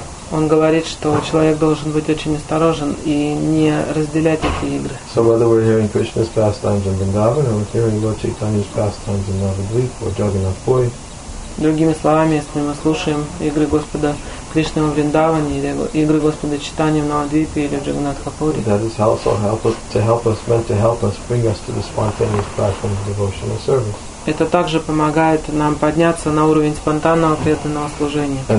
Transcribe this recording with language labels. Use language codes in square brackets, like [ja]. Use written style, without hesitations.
[ru] Он говорит, что человек должен быть очень осторожен и не разделять эти игры. [en] So whether we're hearing Krishna's pastimes in Vrindavan, or we're hearing Lord Chaitanya's pastimes in Navadvip, or Jagannath Puri. [ru] Другими словами, если мы слушаем игры Господа Кришны в Вриндаване, или игры Господа Чайтаньи в Навадвипе или в Джаганатхапури. [en] That is also meant to help us bring us to the spontaneous platform of devotional service. [ru] Это также помогает нам подняться на уровень спонтанного преданного служения.